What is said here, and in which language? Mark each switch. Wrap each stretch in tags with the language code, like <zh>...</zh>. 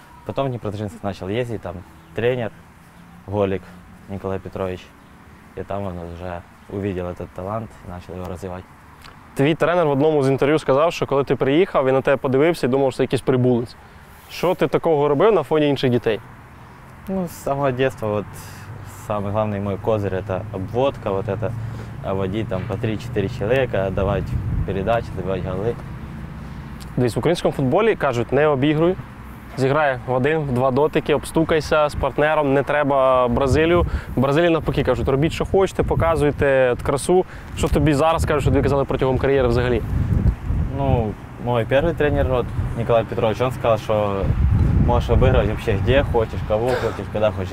<uk>Потім в Дніпродзержинськ почав їздити, там тренер Голик Николай Петрович, і там він вже</uk> <ru>увидел этот талант и начал его развивать.</ru> <uk>Твій тренер в одному з інтерв'ю сказав, що коли ти приїхав, він на тебе подивився і думав, що це якийсь прибулець. Що ти такого робив на фоні інших дітей? Ну, з самого дитинства, от, самий головний мій козир – це обводка, от,</uk> <ru>водить там по 3-4 человека, давать передачи, давать голы.</ru> <uk>Десь в українському футболі кажуть, не обігруй, зіграй в один, в два дотики, обстукайся з партнером, не треба Бразилію. Бразилії навпаки кажуть, робіть що хочете, показуйте красу. Що тобі зараз кажуть, що тобі казали протягом кар'єри взагалі? Ну, мой перший тренер, Николай Петрович, він сказав, що можеш обіграти взагалі, де хочеш, кого хочеш, куди хочеш.</uk>